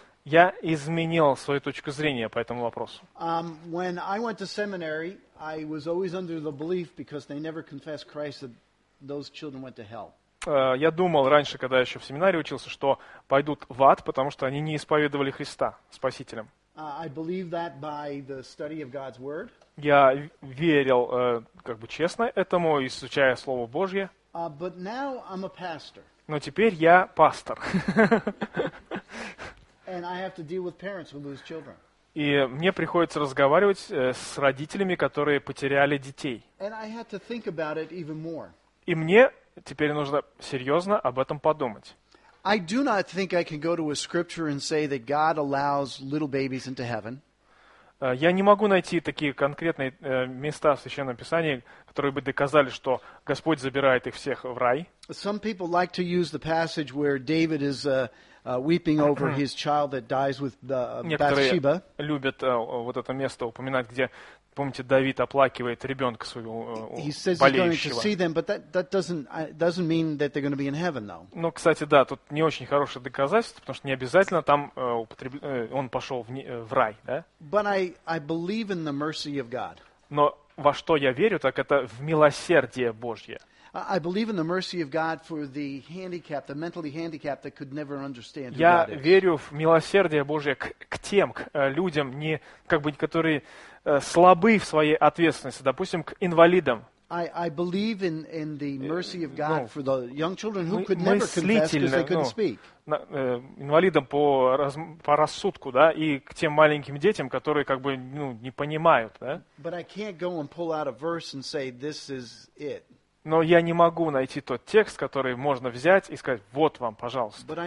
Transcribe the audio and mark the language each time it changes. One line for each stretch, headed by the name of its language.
Russian: Я изменил свою точку зрения по этому вопросу.
English: When I went to seminary, I was always under the belief because they never confessed Christ that those children went to hell.
Russian: Я думал раньше, когда я еще в семинарии учился, что пойдут в ад, потому что они не исповедовали Христа Спасителем.
English: I believe that by the study of God's word.
Russian: Я верил, как бы честно этому, изучая Слово Божье.
English: But now I'm a pastor.
Russian: Но теперь я пастор.
English: And I have to deal with parents who lose children.
Russian: И мне приходится разговаривать с родителями, которые потеряли детей.
English: And I had to think about it even more.
Russian: И мне теперь нужно серьезно об этом подумать.
English: I do not think I can go to a scripture and say that God allows little babies into heaven.
Russian: Я не могу найти такие конкретные места в Священном Писании, которые бы доказали, что Господь забирает их всех в рай.
English: Some people like to use the passage where David is weeping over his child that dies with Bathsheba.
Russian: Некоторые любят вот это место упоминать, где, помните, Давид оплакивает ребенка своего болеющего.
English: He says he's going to see them, but that doesn't mean that they're going to be in heaven, though.
Russian: Ну, кстати, да, тут не очень хорошее доказательство, потому что не обязательно там он пошел в рай, да?
English: But I believe in the mercy of God.
Russian: Но во что я верю, так это в милосердие Божье.
English: I believe in the mercy of God for the handicapped, the mentally handicapped that could never understand who God is.
Russian: Я верю в милосердие Божье к тем, к людям, не как бы, которые слабы в своей ответственности, допустим, к инвалидам.
English: I believe in the mercy of God for the young children who could never confess because they couldn't speak.
Russian: Инвалидам по рассудку, да, и к тем маленьким детям, которые как бы, ну, не понимают, да?
English: But I can't go and pull out a verse and say this is it.
Russian: Но я не могу найти тот текст, который можно взять и сказать: вот вам, пожалуйста.